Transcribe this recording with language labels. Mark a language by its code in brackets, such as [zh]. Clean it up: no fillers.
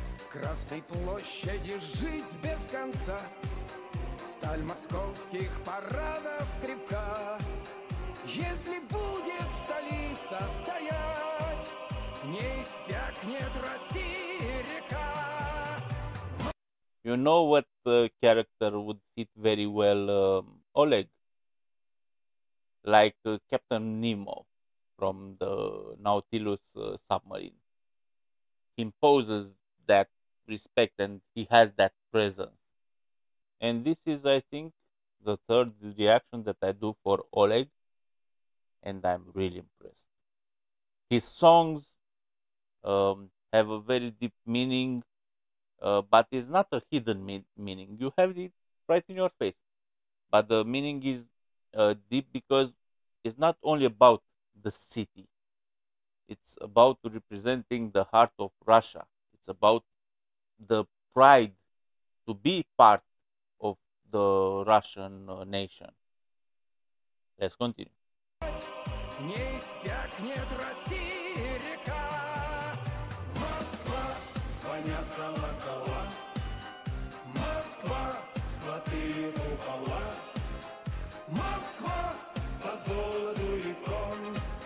[ru] Красной площади жить без конца. Сталь московских парадов крепка. Если будет столица стоять, не иссякнет России река. [en] You know what character would fit very well Oleg? Like Captain Nemo from the Nautilus submarine. He imposes that respect and he has that presence. And this is, I think, the third reaction that I do for Oleg, and I'm really impressed. His songs have a very deep meaning, but it's not a hidden meaning. You have it right in your face. But the meaning is deep because it's not only about the city. It's about representing the heart of Russia. It's about the pride to be part the Russian nation. Let's continue. [ru] Не иссякнет России река. Москва, звонят колокола. Москва, золотые купола. Москва, по золоту и ком.